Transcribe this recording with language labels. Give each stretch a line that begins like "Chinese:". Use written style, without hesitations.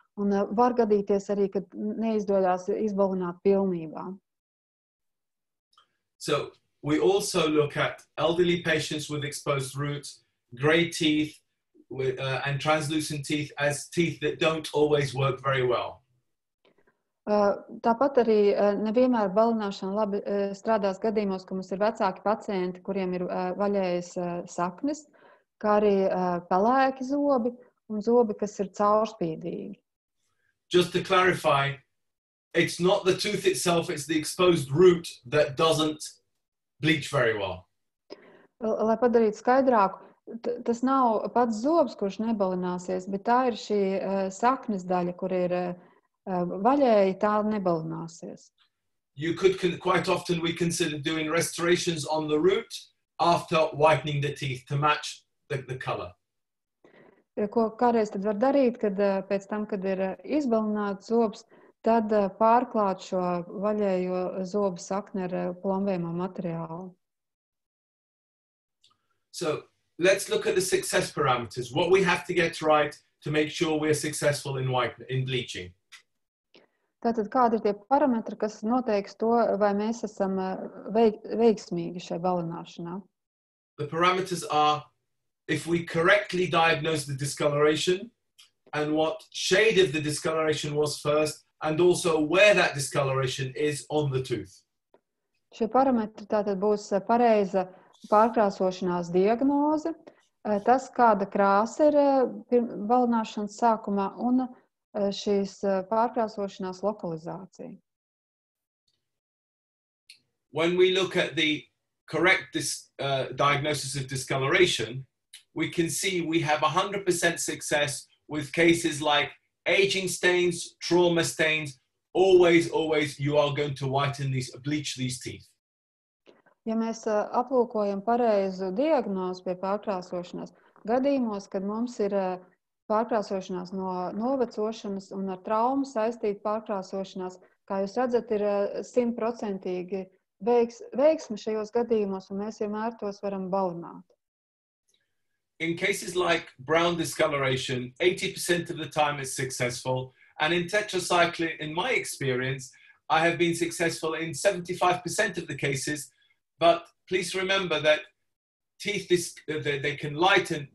Latvian: Un var gadīties arī, kad neizdodās izbalināt pilnībā.
English: So, we also look at elderly patients with exposed roots, gray teeth and translucent teeth as teeth that don't always work very well.
Latvian: Tāpat arī nevienmēr balināšana labi strādās gadījumos, ka mums ir vecāki pacienti, kuriem ir vaļējas saknes, kā arī pelēki zobi un zobi, kas ir caurspīdīgi.
English: Just to clarify, it's not the tooth itself, it's the exposed root that doesn't bleach very well.
Latvian: Lai padarītu skaidrāku, tas nav pats zobs, kurš nebalināsies, bet tā ir šī saknes daļa, kur ir vaļēja, tā nebalināsies.
English: You could quite often we consider doing restorations on the root after whitening the teeth to match the color.
Latvian: Ko kādreiz tad var darīt, kad pēc tam, kad ir izbalināts zobs, tad pārklāt šo vaļējo zobu sakni ar plombējamo materiālu.
English: So, let's look at the success parameters. What we have to get right to make sure we are successful in bleaching.
Latvian: Tātad, kādi ir tie parametri, kas noteiks to, vai mēs esam veiksmīgi šai balināšanā?
English: The parameters are if we correctly diagnose the discoloration and what shade of the discoloration was first and also where that discoloration is on the tooth.
Latvian: Šie parametri tātad būs pareiza pārkrāsošanās diagnoze, tas, kāda krāsa ir balināšanas sākumā un šīs pārkrāsošanās lokalizācija.
English: When we look at the correct diagnosis of discoloration, we can see we have 100% success with cases like aging stains, trauma stains, always you are going to whiten these, bleach these teeth.
Latvian: Ja mēs aplūkojam pareizu diagnozi pie pārkrāsošanās, gadījumos, kad mums ir pārkrāsošanās no novecošanas un ar traumu saistīta pārkrāsošanās, kā jūs redzat, ir 100% veiksme šajos gadījumos, un mēs vienmēr tos varam balināt.
English: In cases like brown discoloration, 80% of the time is successful. And in tetracycline, in my experience, I have been successful in 75% of the cases. But please remember that teeth, they can lighten.